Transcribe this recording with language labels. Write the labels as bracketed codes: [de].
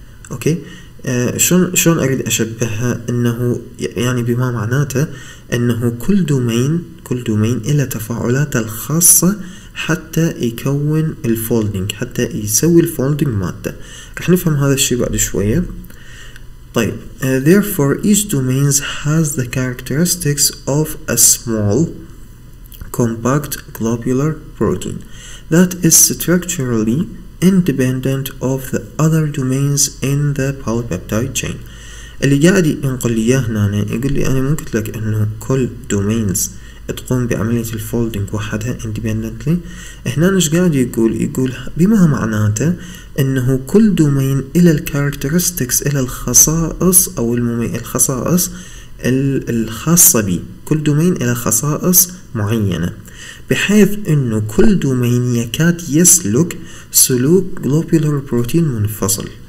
[ar] أوكي، شلون أريد أشبهها؟ أنه يعني بما معناته أنه كل دومين إلى تفاعلاته الخاصة حتى يكون الفولدينج، حتى يسوي الفولدينج مادة. رح نفهم هذا الشيء بعد شوية. [en] طيب therefore each domain has the characteristics of a small compact globular protein that is structurally independent of the other domains in the polypeptide chain. [ar] اللي قاعد ينقل لي هنا يقول لي انا ممكن لك انه كل domains تقوم بعملية الفولدينج وحدها independently. هنا ايش قاعد يقول بما معناته انه كل دومين الى الكاركترستكس، الى الخصائص او الخصائص الخاصة به، كل دومين الى خصائص معينة، بحيث انه كل دومين يكاد يسلك سلوك globular protein منفصل.